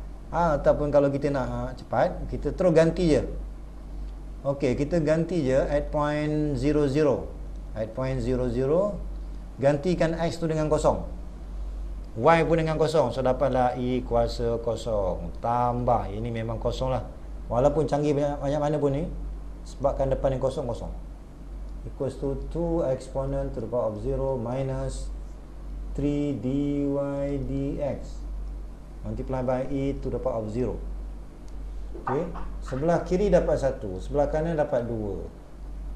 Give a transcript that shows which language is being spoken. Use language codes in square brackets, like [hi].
[ms] Ha, ataupun kalau kita nak cepat, kita terus ganti je. Okey, kita ganti je [en] at point 0, 0. At point 0, 0, [ms] gantikan x tu dengan kosong, y pun dengan kosong. So dapatlah e kuasa kosong. Tambah, ini memang kosong lah. Walaupun canggih banyak mana pun ni, sebabkan depan ni kosong, kosong. [en] Equals to 2 exponent to the power of 0 minus 3 dy dx multiply by e to the power of 0. [ms] Okay, sebelah kiri dapat 1, sebelah kanan dapat 2.